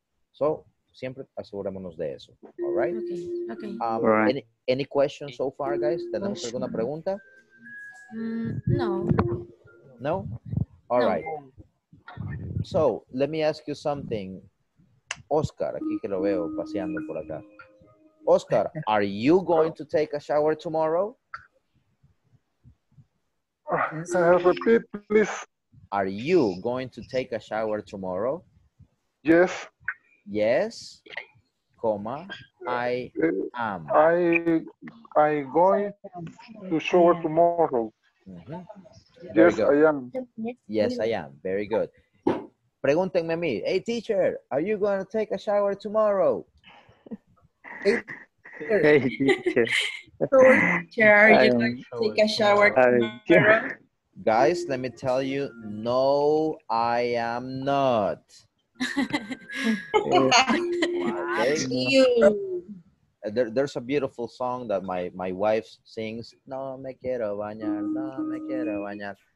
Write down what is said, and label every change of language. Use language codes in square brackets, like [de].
[es] So, siempre asegurémonos de eso. [en] All right? Okay. All right. Any questions so far, guys? [es] ¿Tenemos alguna pregunta? [en] No. No? All right. So, let me ask you something. [es] Oscar, aquí que lo veo paseando por acá. [en] Oscar, are you going to take a shower tomorrow? Repeat, please. Are you going to take a shower tomorrow? Yes. Yes, comma, I am. I going to shower tomorrow. Mm-hmm. Yes, I am. Yes, I am. Very good. [es] Pregúntenme a mí, [en] hey teacher, are you going to take a shower tomorrow? Hey teacher, are you going to take a shower tomorrow? Guys, let me tell you, no, I am not. There's a beautiful song that my wife sings. [es] No me quiero bañar, no me quiero bañar.